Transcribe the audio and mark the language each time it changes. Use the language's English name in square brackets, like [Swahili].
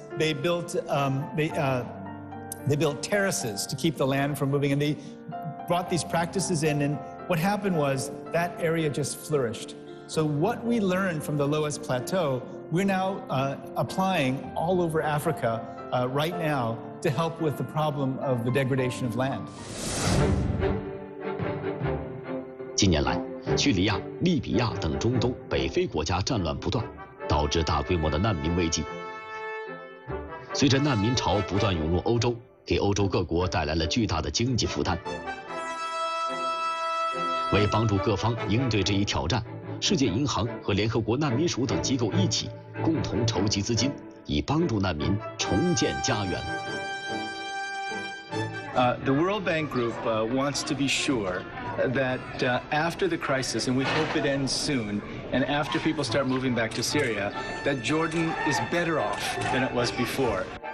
[English] They built, they built terraces to keep the land from moving, and they brought these practices in, and what happened was that area just flourished. So what we learned from the Loess Plateau, we're now applying all over Africa right now to help with the problem of the degradation of land. [Chinese] 近年来，叙利亚、利比亚等中东、北非国家战乱不断，导致大规模的难民危机。随着难民潮不断涌入欧洲，给欧洲各国带来了巨大的经济负担。为帮助各方应对这一挑战，世界银行和联合国难民署等机构一起共同筹集资金，以帮助难民重建家园。 [English] The World Bank Group wants to be sure that after the crisis, and we hope it ends soon, and after people start moving back to Syria, that Jordan is better off than it was before.